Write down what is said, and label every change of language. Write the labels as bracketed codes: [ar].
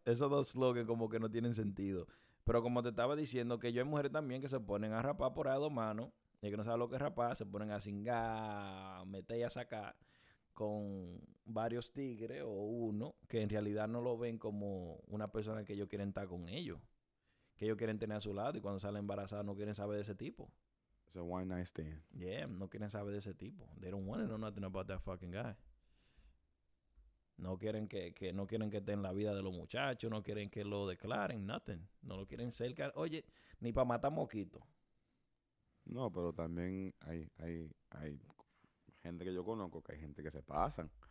[es] Esos dos slogans como que no tienen sentido. Pero como te estaba diciendo, que yo hay mujeres también que se ponen a rapar por ahí dos manos. Y que no saben lo que es rapar. Se ponen a cingar, meter y a sacar con varios tigres o uno, que en realidad no lo ven como una persona que ellos quieren estar con ellos, que ellos quieren tener a su lado, y cuando sale embarazada no quieren saber de ese tipo. [en] It's a one night stand. [es] Yeah, no quieren saber de ese tipo. [en] They don't want to know nothing about that fucking guy. [es] No quieren que estén en la vida de los muchachos, no quieren que lo declaren, nothing. No lo quieren cerca, oye, ni para matar mosquitos. No, pero también hay gente que yo conozco, que hay gente que se pasan.